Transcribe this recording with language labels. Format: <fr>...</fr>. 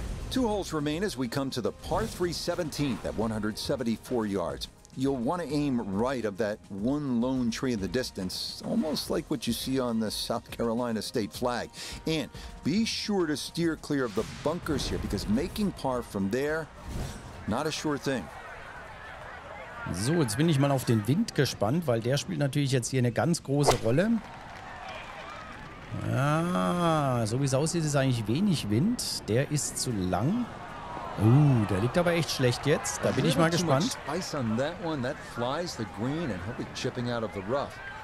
<en>Two holes remain as we come to the par 3 17th at 174 yards. You'll want to aim right of that one lone tree in the distance, almost like what you see on the South Carolina state flag. And be sure to steer clear of the bunkers here, because making par from there, not a sure thing.</en> <de>So, jetzt bin ich mal auf den Wind gespannt, weil der spielt natürlich jetzt hier eine ganz große Rolle. Ja, so wie es aussieht, ist eigentlich wenig Wind. Der ist zu lang. Der liegt aber echt schlecht jetzt. Da bin ich mal gespannt.</de> <en>Spice on that one. That flies the green and he'll be chipping out of the rough.</en>